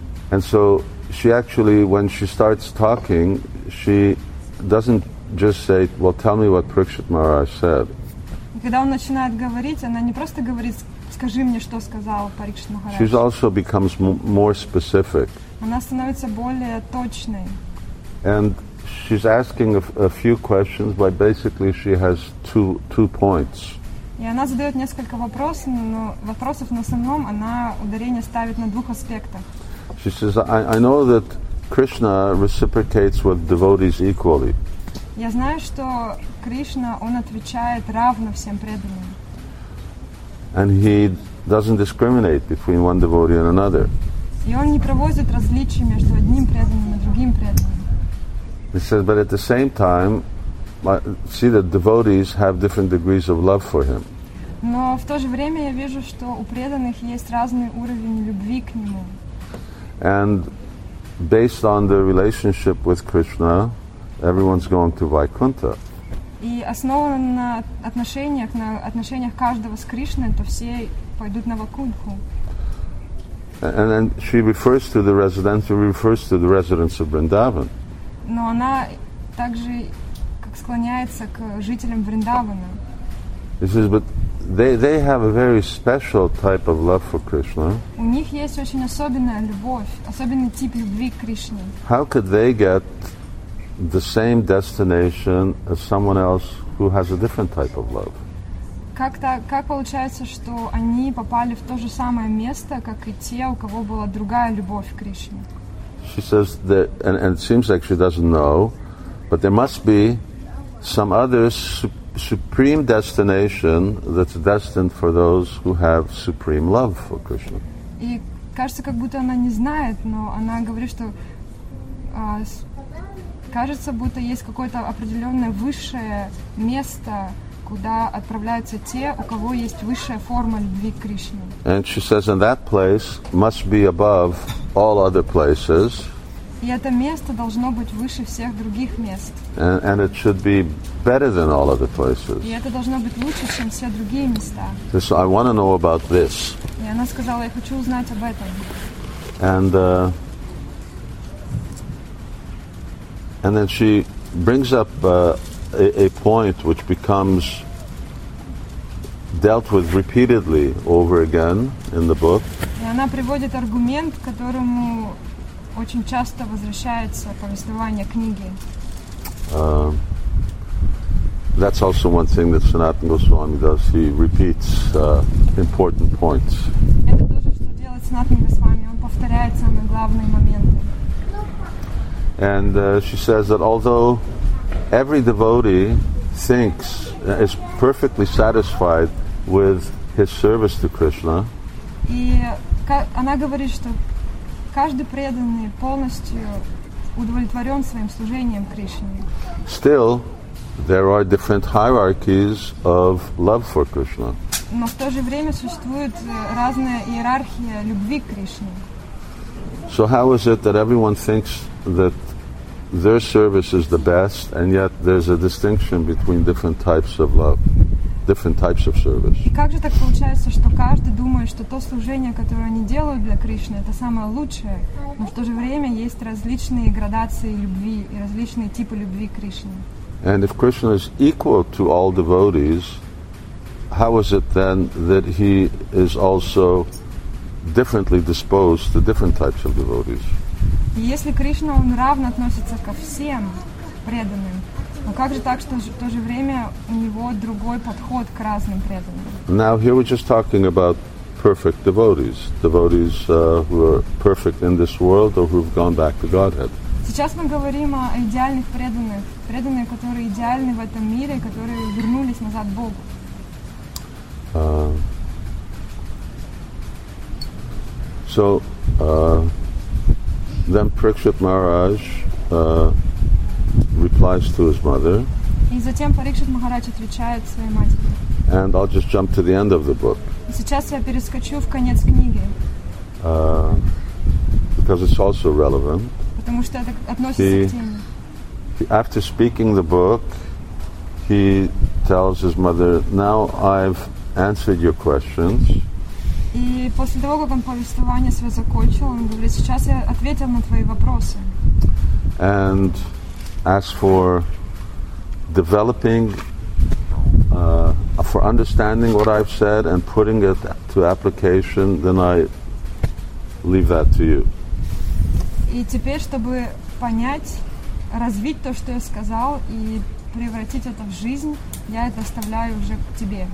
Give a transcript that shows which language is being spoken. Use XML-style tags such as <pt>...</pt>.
<en>And so she actually, when she starts talking, she doesn't just say, "Well, tell me what Parikshit Maharaj said."</en> <ru>Когда он начинает говорить, она не просто говорит: "Скажи мне, что сказал Парикшит Махарадж."</ru> <en>She also becomes more specific.</en> <ru>Она становится более точной.</ru> <en>And she's asking a few questions, but basically she has two points.</en> <ru>И она задает несколько вопросов, но вопросов на основном она ударение ставит на двух аспектах.</ru> <en>She says, "I know that Krishna reciprocates with devotees equally."</en> <ru>Я знаю, что Кришна, он отвечает равно всем преданным.</ru> <en>And he doesn't discriminate between one devotee and another.</en> <ru>И он не проводит различия между одним преданным и другим преданным.</ru> <en>He says, but at the same time, see that devotees have different degrees of love for him.</en> <ru>Но в то же время я вижу, что у преданных есть разный уровень любви к нему.</ru> <en>And based on the relationship with Krishna, everyone's going to Vaikuntha.</en> <ru>И основано на отношениях каждого с Кришной, то все пойдут на Вайкунтху.</ru> <en>And then she refers to the residence of Vrindavan.</en> <ru>Но она также как склоняется к жителям Вриндавана.</ru> <en>This is, but they have a very special type of love for Krishna.</en> <ru>У них есть очень особенная любовь, особенный тип любви к Кришне.</ru> <en>How could they get the same destination as someone else who has a different type of love?</en> <ru>Как получается, что они попали в то же самое место, как и те, у кого была другая любовь к Кришне?</ru> <en>She says that, and it seems like she doesn't know, but there must be some other supreme destination that's destined for those who have supreme love for Krishna.</en> <ru>И кажется, как будто она не знает, но она говорит, что кажется, будто есть какое-то определенное высшее место, куда отправляются те, у кого есть высшая форма любви к Кришне.</ru> <en>And she says, and that place must be above all other places.</en> <ru>И это место должно быть выше всех других мест.</ru> <en>And it should be better than all other places.</en> <ru>И это должно быть лучше, чем все другие места.</ru> <en>So I want to know about this.</en> <ru>И она сказала, я хочу узнать об этом.</ru> <en>And then she brings up a point which becomes dealt with repeatedly over again in the book.</en> <ru>И она приводит аргумент, к которому очень часто возвращается повествование книги.</ru> <en>That's also one thing that Sanatana Goswami does. He repeats important points.</en> <ru>Это тоже, что делает Санатана Госвами. Он повторяет самые главные моменты.</ru> <en>And she says that although every devotee thinks is perfectly satisfied with his service to Krishna.</en> <ru>И она говорит, что каждый преданный полностью удовлетворен своим служением Кришне.</ru> <en>Still, there are different hierarchies of love for Krishna.</en> <ru>Но в то же время существует разная иерархия любви к Кришне.</ru> <en>So how is it that everyone thinks that their service is the best, and yet there's a distinction between different types of love, different types of service.</en> <ru>И как же так получается, что каждый думает, что то служение, которое они делают для Кришны, это самое лучшее, но в то же время есть различные градации любви и различные типы любви к Кришне?</ru> <en>And if Krishna is equal to all devotees, how is it then that he is also differently disposed to different types of devotees?</en> <ru>Если Кришна, он равно относится ко всем преданным, но как же так, что в то же время у него другой подход к разным преданным?</ru> <en>Now, here we're just talking about perfect devotees, devotees who are perfect in this world or who've gone back to Godhead.</en> <ru>Сейчас мы говорим о идеальных преданных, преданные, которые идеальны в этом мире, которые вернулись назад к Богу.</ru> <en>Then Parikshit Maharaj replies to his mother.</en> <ru>И затем Парикшит Махарадж отвечает своей матери.</ru> <en>And I'll just jump to the end of the book.</en> <ru>И сейчас я перескочу в конец книги.</ru> <en>Because it's also relevant.</en> <ru>Потому что это относится к теме.</ru> <en>After speaking the book, he tells his mother, "Now I've answered your questions."</en> <ru>И после того, как он повествование свое закончил, он говорит: сейчас я ответил на твои вопросы.</ru> <en>And as for developing, for understanding what I've said and putting it to application, then I leave that to you.</en> <ru>И теперь, чтобы понять, развить то, что я сказал, и превратить это в жизнь, я это оставляю уже к тебе.</ru>